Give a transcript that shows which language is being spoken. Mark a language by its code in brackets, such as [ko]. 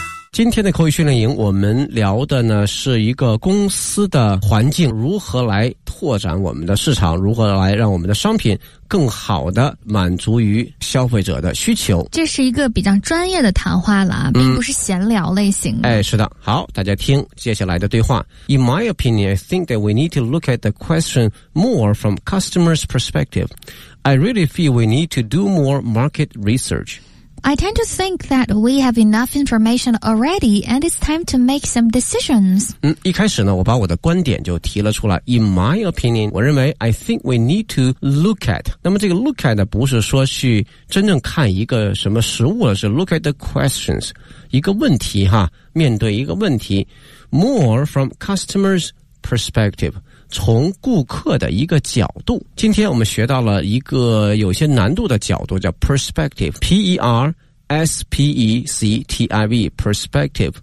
[zh] 今天的口语训练营我们聊的呢是一个公司的环境，如何来拓展我们的市场，如何来让我们的商品更好的满足于消费者的需求。这是一个比较专业的谈话了，并不是闲聊类型的。哎，是的。好，大家听接下来的对话。 [en] In my opinion, I think that we need to look at the question more from customer's perspective. I really feel we need to do more market research. I tend to think that we have enough information already and it's time to make some decisions. [zh] 一开始呢我把我的观点就提了出来。 [en] In my opinion, 我认为 I think we need to look at. [zh] 那么这个 look at 不是说去真正看一个什么实物，是 look at the questions, 一个问题哈，面对一个问题。 More from customer's perspective. 从顾客的一个角度，今天我们学到了一个有些难度的角度，叫 perspective, P-E-R-S-P-E-C-T-I-V, perspective。